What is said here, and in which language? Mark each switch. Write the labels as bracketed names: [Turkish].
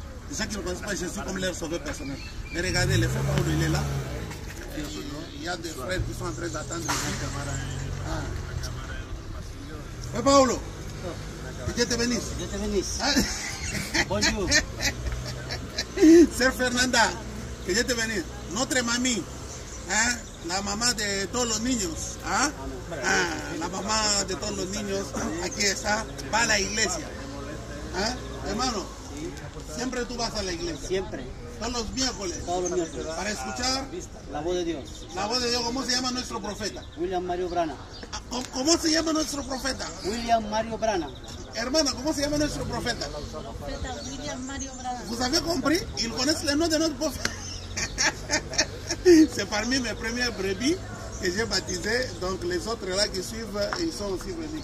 [French] Les gens qui ne connaissent pas Jésus comme leur sauveur personnel. Mais regardez, le frère Paolo, il est là. Il y a des frères qui sont en train d'attendre. Frère Paolo, Dieu te bénisse. Dieu te bénisse. Bonjour. Sœur Fernanda, que Dieu te bénisse. Notre mamie, hein, la maman de tous les niños, hein, la maman de tous les niños, [Spanish] aquí está, va a la iglesia. Hein, hermano, siempre tú vas a la iglesia. Siempre. Todos los miércoles. Para escuchar la voz de Dios. La voz de Dios, ¿cómo se llama nuestro profeta? William Mario Brana. ¿Cómo se llama nuestro profeta? William Mario Brana. Hermana, ¿cómo se llama nuestro profeta? Profeta William Mario Brana. ¿Vos sabés compris? Y con ese nombre de nuestro profeta. [French] C'est parmi mes premières brebis que j'ai baptisé. Donc les autres là qui suivent, ils sont aussi brebis.